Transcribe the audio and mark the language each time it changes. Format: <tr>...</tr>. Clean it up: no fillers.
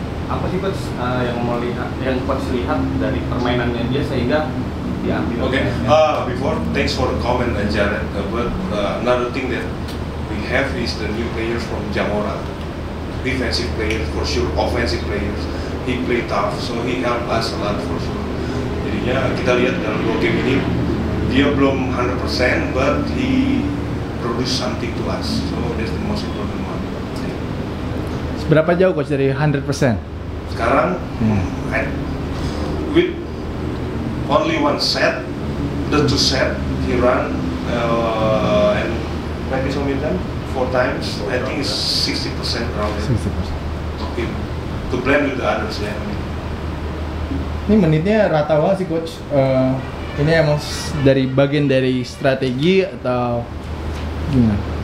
<id>Apa sih coach yang coach lihat dari permainannya dia sehingga diambil?</id> <en>Okay, before thanks for the comment and Jared, but another thing that we have is the new players from Jamora, defensive players for sure, offensive players. He play tough, so he help us a lot for sure. Jadinya kita lihat dalam dua game ini dia belum 100%, but he produce something to us. So that's the most important one.</en> <id>Seberapa jauh coach dari 100%?</id> <en>Sekarang with only one set, the two set he run and maybe so many times, four times, I think it's 60% around it. 60% of him to blend with the others, yeah.</en> <id>Ini menitnya rata banget sih coach. Ini emang dari bagian dari strategi atau gimana?</id>